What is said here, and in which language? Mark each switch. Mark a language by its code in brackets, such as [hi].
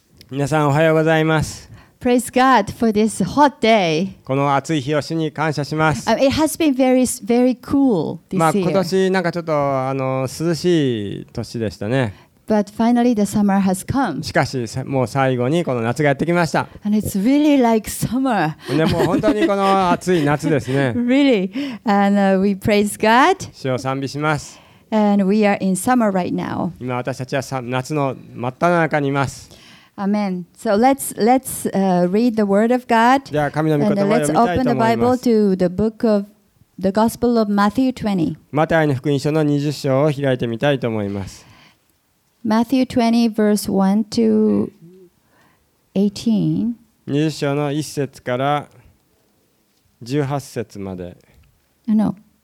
[ja] 皆さんおはようございます。 [en] Praise God for this hot day. [ja] この暑い日を主に感謝します。 [en] It has been very, very cool this year. [ja] 今年なんかちょっと涼しい年でしたね。 [en] But finally the summer has come. [ja] しかしもう最後にこの夏がやってきました。 [en] And it's really like summer. [ja] でも本当にこの暑い夏ですね。 [en] Really, and we praise God. [ja] 主を賛美します。 [en] And we are in summer right now. [ja] 今私たちは夏の真っ只中にいます。 [en] Amen. So let's read the word of God. [ja] じゃあ神の御言葉を読みたいと思います。 [en] And let's open the Bible to the book of the Gospel of Matthew 20. [ja] マタイの福音書の20章を開いてみたいと思います。 [en] Matthew 20 verse 1 to 18. [ja] 20章の1節から18節まで。 [en] No.